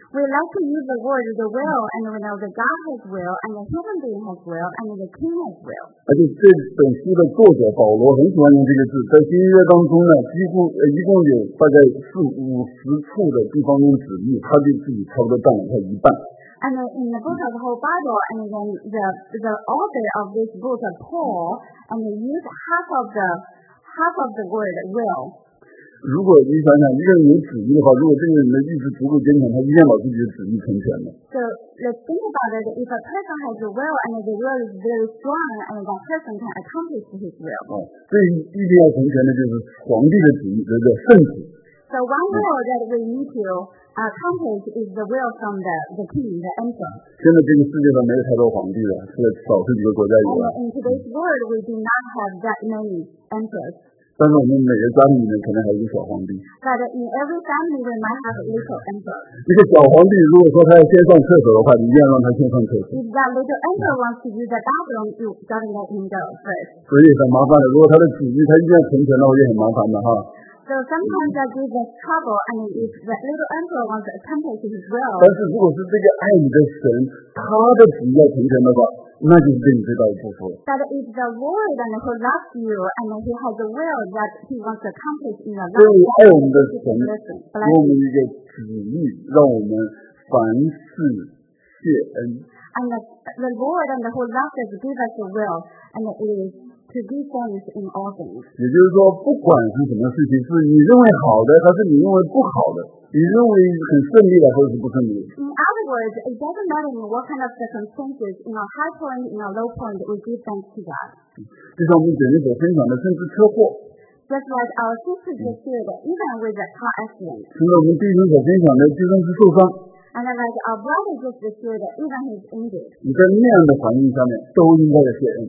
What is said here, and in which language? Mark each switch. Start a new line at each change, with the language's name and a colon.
English: We like to use the word the will, and we know the God has will, and the human being has will, and the king has will.
Chinese: 而且这本书的作者保罗很喜欢用这个字，在新约当中呢，几乎一共有大概50处的地方用旨意，他就自己差不多占了他一半。
English: And in the book of the whole Bible, and then the author of this book, Paul, and used half of the word will.
Chinese: 如果你想想一个人有旨意的话，如果这个人的意志足够坚强，他一定把自己的旨意成全的。
English: So let's think about it. If a person has a will and the will is very strong, and that person can accomplish his will.
Chinese: 这一定要成全的就是皇帝的旨意，这叫圣旨。
English: So one will that we need to accomplish is the will from the king, the emperor.
Chinese: 现在这个世界上没有太多皇帝了，现在少数几个国家有了。
English: And in today's world, we do not have that many emperors.
Chinese: 但是我们每个家里面可能还有一个小皇帝。
English: But in every family, we might have a little emperor.
Chinese: 一个小皇帝，如果说他要先上厕所的话，你一定要让他先上厕所。
English: If that little emperor wants to use the bathroom, you gotta let him go first.
Chinese: 所以很麻烦的，如果他的旨意他一定要成全的话，也很麻烦的哈。
English: So sometimes that gives us trouble, and if the little emperor wants to accomplish his will.
Chinese: 但是如果是这个爱你的神，他的旨意要成全的话。那就是对你最大的祝福。
English: But if the Lord and who loves you and he has a will that he wants to accomplish in your life,
Chinese: 对爱我们的神，给我们一个旨意，让我们凡事谢恩。
English: And the Lord and who loves us give us a will and it is to give thanks in all things.
Chinese: 也就是说，不管是什么事情，是你认为好的还是你认为不好的。你认为很顺利的，或者是不顺利的。
English: In other words, it doesn't matter in what kind of circumstances, in a high point, in a low point, we give thanks to God.
Chinese: 就像我们姐妹所分享的，甚至车祸。
English: Just like our sister just said, even with a car accident.
Chinese: 甚至我们弟兄所分享的，就算是受伤。
English: And like our brother just said, even his injury.
Chinese: 你在那样的环境下面，都应该要谢恩。